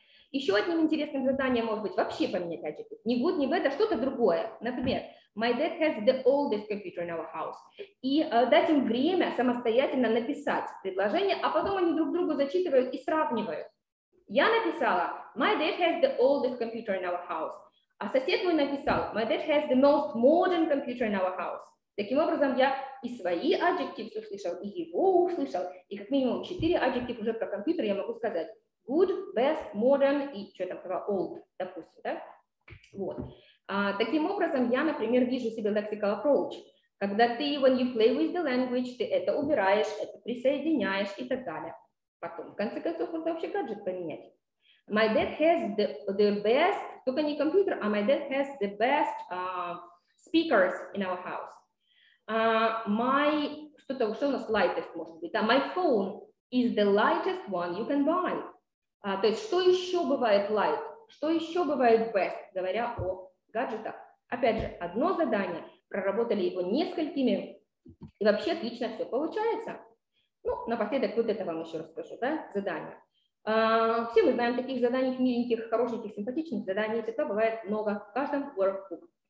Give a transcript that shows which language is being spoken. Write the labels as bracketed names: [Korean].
[Russian] Еще одним интересным заданием может быть вообще поменять adjective. Не good, не bad, а что-то другое. Например, [English] my dad has the oldest computer in our house. [Russian] И дать им время самостоятельно написать предложение, а потом они друг другу зачитывают и сравнивают. Я написала [English] my dad has the oldest computer in our house. [Russian] А сосед мой написал [English] my dad has the most modern computer in our house. [Russian] Таким образом, я и свои adjectives услышал, и его услышал. И как минимум 4 adjectives уже про компьютер я могу сказать. Good, best, modern и что там про old, допустим, да? Вот. Таким образом, я, например, вижу себе lexical approach. Когда ты, [English] when you play with the language, [Russian] ты это убираешь, это присоединяешь и так далее. Потом, в конце концов, можно вообще гаджет поменять. [English] My dad has the best, [Russian] только не компьютер, а [English] my dad has the best speakers in our house. [Russian] My, что-то, что у нас lightest может быть, да? [English] My phone is the lightest one you can buy. [Russian] То есть, что еще бывает light, что еще бывает best, говоря о гаджетах. Опять же, одно задание, проработали его несколькими, и вообще отлично все получается. Ну, напоследок вот это вам еще расскажу, да, задание. Все мы знаем таких заданий, миленьких, хорошеньких, симпатичных заданий, это бывает много в каждом workbook.